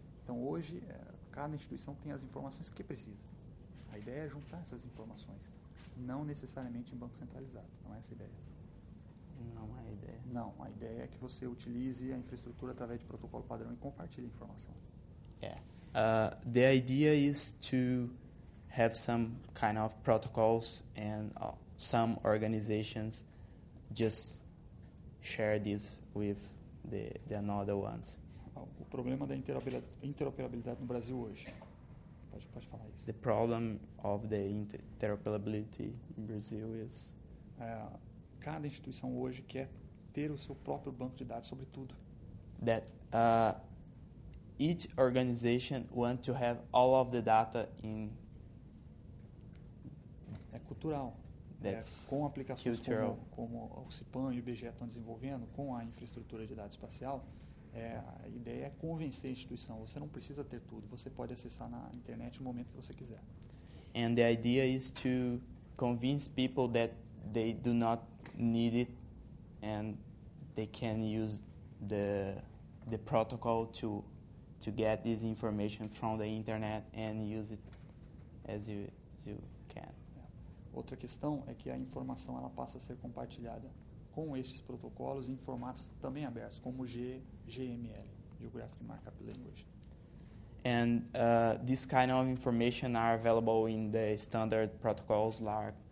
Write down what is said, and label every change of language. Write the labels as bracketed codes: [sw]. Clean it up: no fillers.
[pt] Então hoje, cada instituição tem as informações que precisa. A ideia é juntar essas informações, não necessariamente em banco centralizado. Não é essa a ideia. Não é a ideia. Não, a ideia é que você utilize a infraestrutura através de protocolo padrão e compartilhe a informação. [en] Yeah. The idea is to have some kind of protocols and some organizations just share this with the other ones. [pt] O problema da interoperabilidade no Brasil hoje. Pode falar isso. [en] The problem of the interoperability in Brazil is... [pt] Cada instituição hoje quer ter o seu próprio banco de dados sobre tudo. [en] That each organization wants to have all of the data in... [pt] É cultural. Com aplicações cultural. Como o CIPAN e o IBGE estão desenvolvendo, com a infraestrutura de dados espacial... A ideia é convencer a instituição. Você não precisa ter tudo. Você pode acessar na internet no momento que você quiser. [en] And the idea is to convince people that they do not need it and they can use the protocol to get this information from the internet and use it as you can. [pt] Outra questão é que a informação ela passa a ser compartilhada com esses protocolos em formatos também abertos, como GML, Geographic Markup Language. [en] And this kind of information are available in the standard protocols like